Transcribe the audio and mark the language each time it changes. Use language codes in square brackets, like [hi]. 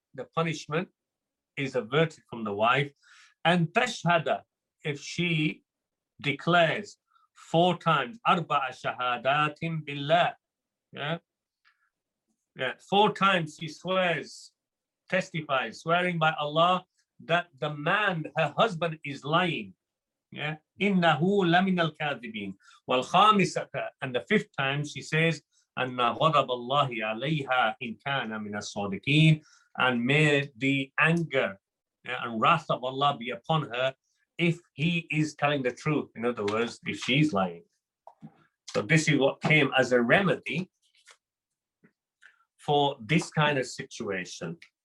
[en] The punishment is averted from the wife. And تشهد, if she declares four times, [ar] أربع شهادات بالله. [en] Four times she swears, testifies, swearing by Allah that the man, her husband, is lying. [ar] إِنَّهُ لَمِنَ الْكَاذِبِينَ وَالْخَامِسَةَ. [en] And the fifth time she says, [ar] أَنَّ غَضَبَ اللَّهِ عَلَيْهَا إِنْ كَانَ مِنَ الصَّادِقِينَ. [en] And may the anger and wrath of Allah be upon her if he is telling the truth. In other words, if she's lying. So this is what came as a remedy for this kind of situation.